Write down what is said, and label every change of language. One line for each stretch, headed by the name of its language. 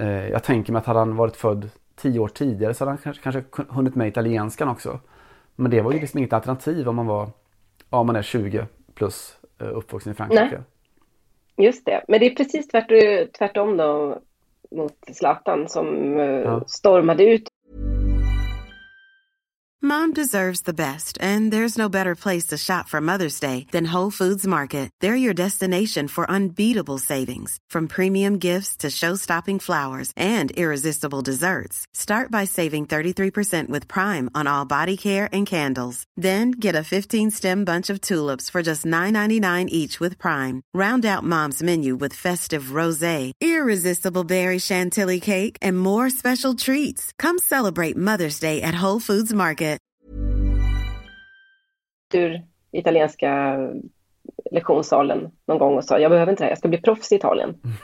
Swedish: Jag tänker mig att hade han varit född 10 år tidigare så hade han kanske hunnit med italienskan också. Men det var ju liksom inget alternativ om man är 20 plus uppvuxen i Frankrike. Nej. Just det. Men det är precis tvärtom då mot Zlatan som stormade ut.
English: Mom deserves the best, and there's no better place to shop for Mother's Day than Whole Foods Market. They're your destination for unbeatable savings, from premium gifts to show-stopping flowers and irresistible desserts. Start by saving 33% with Prime on all body care and candles. Then get a 15-stem bunch of tulips for just $9.99 each with Prime. Round out Mom's menu with festive rosé, irresistible berry chantilly cake, and more special treats. Come celebrate Mother's Day at Whole Foods Market.
Swedish: Ur italienska lektionssalen någon gång och sa jag behöver inte det här, jag ska bli proffs i Italien.